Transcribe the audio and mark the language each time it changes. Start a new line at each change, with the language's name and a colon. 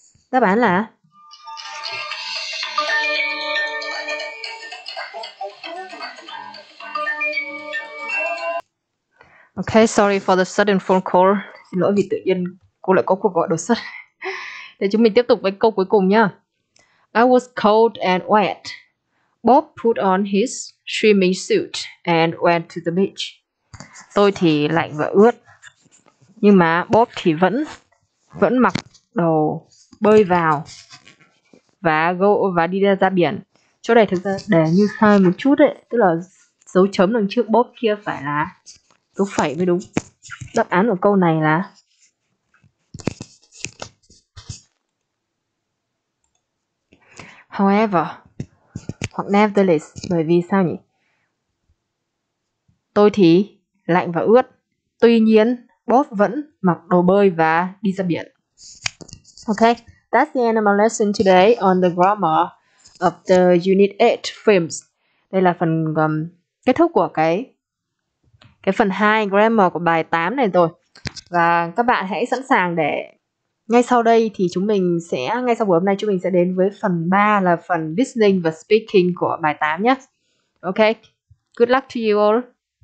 Vietnamese: Đáp án là
English: ok, sorry for the sudden phone call.
Vietnamese: Xin lỗi vì tự nhiên cô lại có cuộc gọi đột xuất. Để chúng mình tiếp tục với câu cuối cùng nha.
English: I was cold and wet. Bob put on his swimming suit and went to the beach.
Vietnamese: Tôi thì lạnh và ướt. Nhưng mà Bob thì vẫn mặc đồ bơi vào và đi ra biển. Chỗ này thực ra để như sai một chút ấy, tức là dấu chấm đằng trước Bob kia phải là dấu phẩy mới đúng. Đáp án của câu này là however hoặc nevertheless, bởi vì sao nhỉ? Tôi thì lạnh và ướt, tuy nhiên Bob vẫn mặc đồ bơi và đi ra biển.
English: Okay, that's the end of my lesson today on the grammar of the unit 8 films.
Vietnamese: Đây là phần kết thúc của cái phần 2 grammar của bài 8 này rồi. Và các bạn hãy sẵn sàng để ngay sau đây thì chúng mình sẽ, ngay sau buổi hôm nay chúng mình sẽ đến với phần 3 là phần listening và speaking của bài 8 nhé.
English: Okay, good luck to you all.